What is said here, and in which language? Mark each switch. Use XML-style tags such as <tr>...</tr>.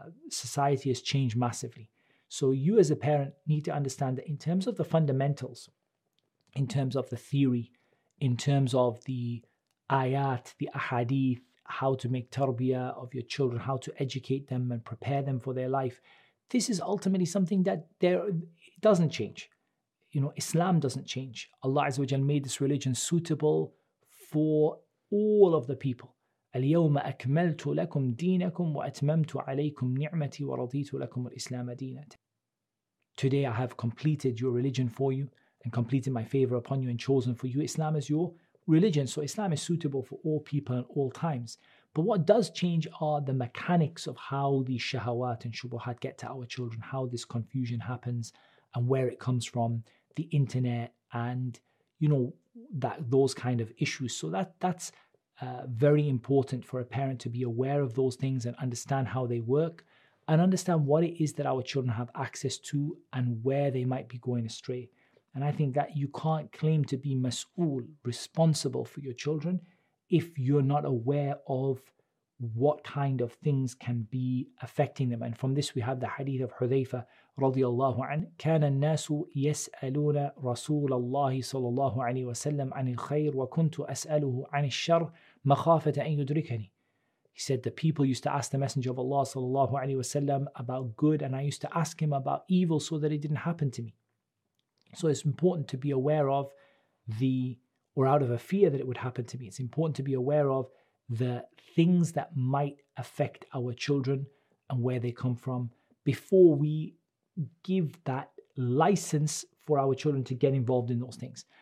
<en>Society has changed massively. So you as a parent need to understand that in terms of the fundamentals, in terms of the theory, in terms of the ayat, the ahadith, how to make tarbiyah of your children, how to educate them and prepare them for their life, this is ultimately something that it doesn't change. You know, Islam doesn't change. Allah Azza wa Jalla made this religion suitable for all of the people.</en> <ar>اليوم أكملت لكم دينكم وأتممت عليكم نعمتي ورضيت لكم الإسلام دينا.</ar> <en>Today I have completed your religion for you and completed my favor upon you and chosen for you Islam as your religion. So Islam is suitable for all people and all times. But what does change are the mechanics of how the shahawat and shubuhat get to our children, how this confusion happens and where it comes from, the internet and, you know, that those kind of issues. So that's very important for a parent to be aware of those things and understand how they work and understand what it is that our children have access to and where they might be going astray. And I think that you can't claim to be mas'ul, responsible for your children, if you're not aware of what kind of things can be affecting them. And from this we have the hadith of Hudhayfa radiallahu anhu.</en> <ar>كان الناس يسألون رسول الله صلى الله عليه وسلم عن الخير وكنت أسأله عن الشر مخافة أن يدركني.</ar> <en>He said, the people used to ask the Messenger of Allah</en> <ar>صلى الله عليه وسلم</ar> <en>about good, and I used to ask him about evil so that it didn't happen to me. So it's important to be aware of the, or out of a fear that it would happen to me, it's important to be aware of the things that might affect our children and where they come from before we give that license for our children to get involved in those things.</en>